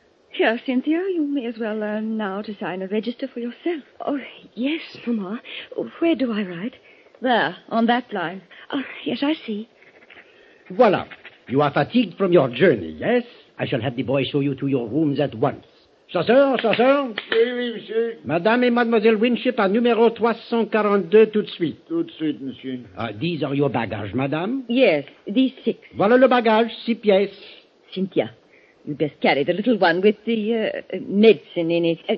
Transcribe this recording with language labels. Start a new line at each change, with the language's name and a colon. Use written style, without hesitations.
English: Here, Cynthia, you may as well learn now to sign a register for yourself. Oh, yes, Mama. Where do I write? There, on that line. Oh, yes, I see.
French: Voila.
English: You are fatigued from your journey, yes? I shall have the boy show you to your rooms at once.
French: Chasseur, chasseur. Oui, monsieur. Madame et Mademoiselle Winship à numéro 342, tout de suite. Tout de suite, monsieur.
English: These are your bagages, madame. Yes, these six.
French: Voilà le bagage, 6 pièces.
English: Cynthia, you best carry the little one with the medicine in it.